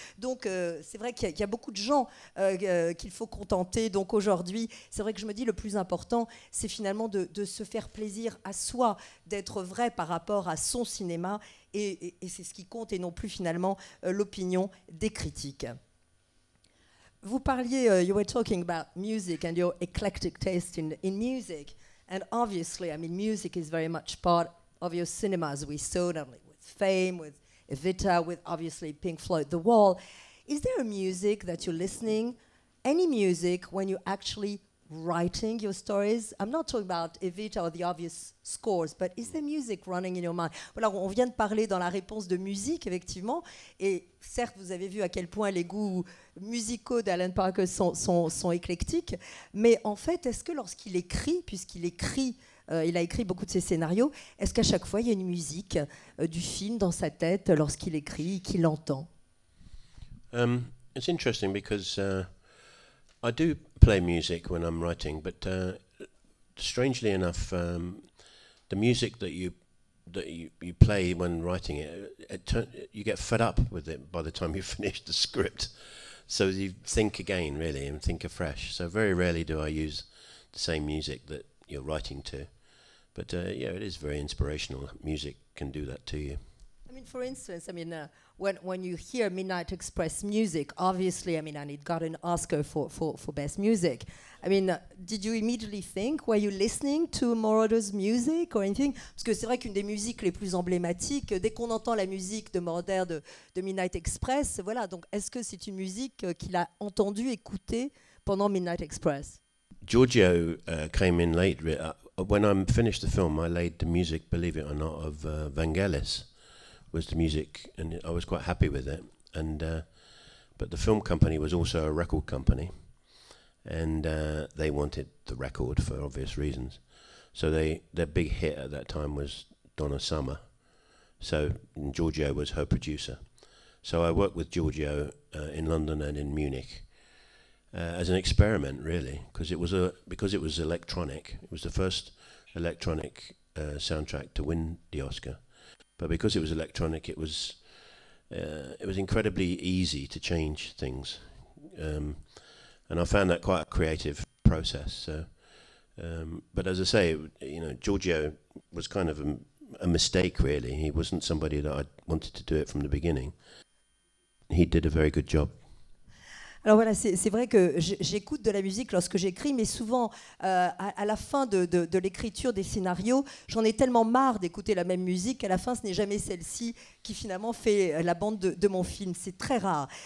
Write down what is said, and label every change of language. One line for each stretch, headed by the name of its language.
French: Donc c'est vrai qu'il y a beaucoup de gens qu'il faut contenter. Donc aujourd'hui, c'est vrai que je me dis le plus important, c'est finalement de se faire plaisir à soi, d'être vrai par rapport à son cinéma. Et c'est ce qui compte et non plus finalement l'opinion des critiques. Vous parliez,
English: you were talking about music and your eclectic taste in music. And obviously, I mean, music is very much part of your cinema, as we saw, not only with Fame, with Evita, with obviously Pink Floyd, The Wall. Is there a music that you're listening, any music, when you're actually writing your stories? I'm not talking about Evita or the obvious scores, but is there music running in your mind?
French: Voilà, on vient de parler dans la réponse de musique, effectivement, et certes, vous avez vu à quel point les goûts musicaux d'Alan Parker sont éclectiques, mais en fait, est-ce que lorsqu'il écrit, puisqu'il écrit, il a écrit beaucoup de ses scénarios, est-ce qu'à chaque fois, il y a une musique du film dans sa tête lorsqu'il écrit et qu'il entend?
English: It's interesting because I do play music when I'm writing, but strangely enough, the music that you play when writing you get fed up with it by the time you finish the script. So you think again, really, and think afresh. So very rarely do I use the same music that you're writing to. But yeah, it is very inspirational. Music can do that to you. I mean, for instance, when you hear Midnight Express music, obviously, I mean, and it got an Oscar for best music. I mean, did you immediately think, were you listening to Moroder's music or anything?
French: Parce que c'est vrai qu'une des musiques les plus emblématiques, dès qu'on entend la musique de Moroder de Midnight Express, voilà, donc est-ce que c'est une musique qu'il a entendue, écoutée pendant Midnight Express?
English: Giorgio came in late. When I finished the film, I laid the music, believe it or not, of Vangelis. Was the music, and I was quite happy with it. And but the film company was also a record company, and they wanted the record for obvious reasons. So their big hit at that time was Donna Summer, So Giorgio was her producer. So I worked with Giorgio in London and in Munich as an experiment, really, because it was electronic. It was the first electronic soundtrack to win the Oscar. But because it was electronic, it was incredibly easy to change things. And I found that quite a creative process. But as I say, Giorgio was kind of a mistake, really. He wasn't somebody that I wanted to do it from the beginning. He did a very good job.
French: Alors voilà, c'est vrai que j'écoute de la musique lorsque j'écris, mais souvent, à la fin de l'écriture des scénarios, j'en ai tellement marre d'écouter la même musique, à la fin, ce n'est jamais celle-ci qui finalement fait la bande de mon film. C'est très rare.